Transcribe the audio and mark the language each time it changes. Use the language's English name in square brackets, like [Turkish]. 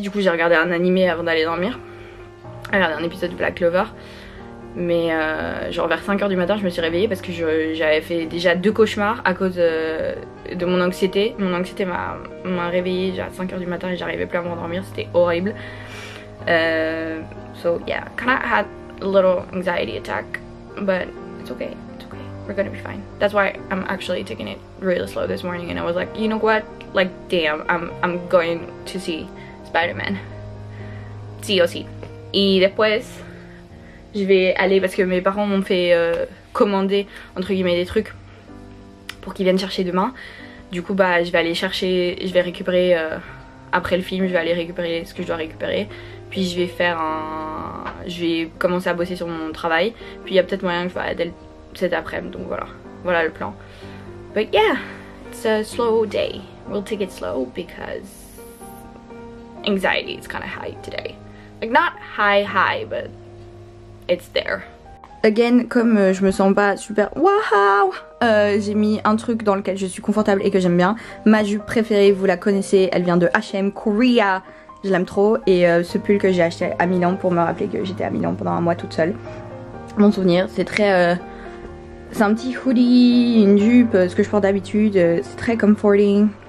[French] Du coup, j'ai regardé un animé avant d'aller dormir. Regardez un épisode de Black Clover. Mais genre vers 5h du matin, je me suis réveillée parce que j'avais fait déjà deux cauchemars à cause de mon anxiété. Mon anxiété m'a réveillée genre à 5h du matin et j'arrivais plus à m'endormir. C'était horrible. [English] So yeah, kind of had a little anxiety attack. But it's okay, we're gonna be fine. That's why I'm actually taking it really slow this morning. And I was like, you know what, like damn, I'm going to see Spider-Man. [Spanish] Sí o sí. [French] Et [Spanish] después, [French] je vais aller parce que mes parents m'ont fait commander entre guillemets des trucs pour qu'ils viennent chercher demain. Du coup, bah, je vais aller chercher, je vais récupérer après le film, je vais aller récupérer ce que je dois récupérer. Puis je vais faire un, je vais commencer à bosser sur mon travail. Puis il y a peut-être moyen que je vais aller cet après-midi. Donc voilà, voilà le plan. [English] But yeah, it's a slow day. We'll take it slow because anxiety is kind of high today. Like not high high but it's there. Again, [French] comme je me sens pas super waouh, j'ai mis un truc dans lequel je suis confortable et que j'aime bien. Ma jupe préférée, vous la connaissez, elle vient de H&M Korea. Je l'aime trop et ce pull que j'ai acheté à Milan pour me rappeler que j'étais à Milan pendant un mois toute seule. Mon souvenir, c'est très c'est un petit hoodie, une jupe, ce que je porte d'habitude, c'est très comforting.